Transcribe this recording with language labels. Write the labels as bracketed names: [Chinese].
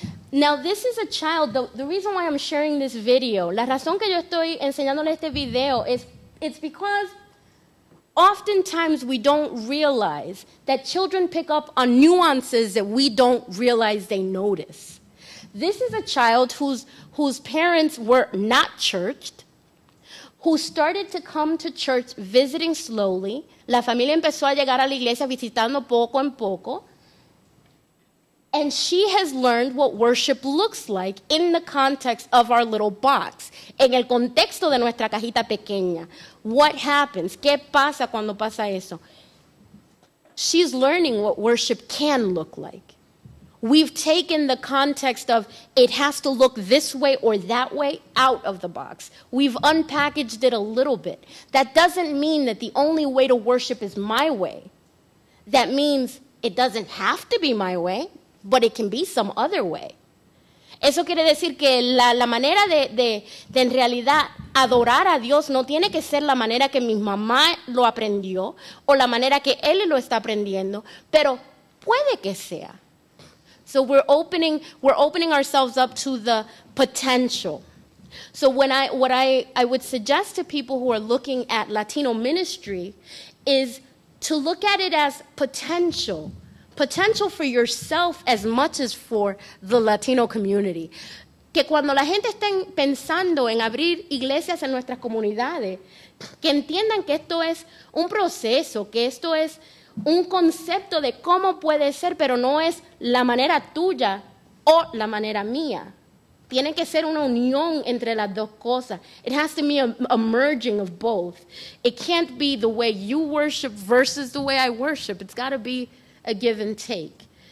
[English] Now, this is a child. The reason why I'm sharing this video, [Spanish] la razón que yo estoy enseñándole este video, [English] is it's because oftentimes we don't realize that children pick up on nuances that we don't realize they notice. This is a child whose parents were not churched, who started to come to church visiting slowly. [Spanish] La familia empezó a llegar a la iglesia visitando poco en poco. [English] And she has learned what worship looks like in the context of our little box, [Spanish] en el contexto de nuestra cajita pequeña. [English] What happens? [Spanish] ¿Qué pasa cuando pasa eso? [English] She's learning what worship can look like. We've taken the context of it has to look this way or that way out of the box. We've unpackaged it a little bit. That doesn't mean that the only way to worship is my way. That means it doesn't have to be my way, but it can be some other way. [Spanish] Eso quiere decir que la manera de en realidad adorar a Dios no tiene que ser la manera que mi mamá lo aprendió o la manera que él lo está aprendiendo, pero puede que sea. [English] So we're opening ourselves up to the potential. So what I would suggest to people who are looking at Latino ministry is to look at it as potential. Potential for yourself as much as for the Latino community. [Spanish] Que cuando la gente esté pensando en abrir iglesias en nuestras comunidades, que entiendan que esto es un proceso, que esto es un concepto de cómo puede ser, pero no es la manera tuya o la manera mía. Tiene que ser una unión entre las dos cosas. [English] It has to be a merging of both. It can't be the way you worship versus the way I worship. It's got to be a give and take.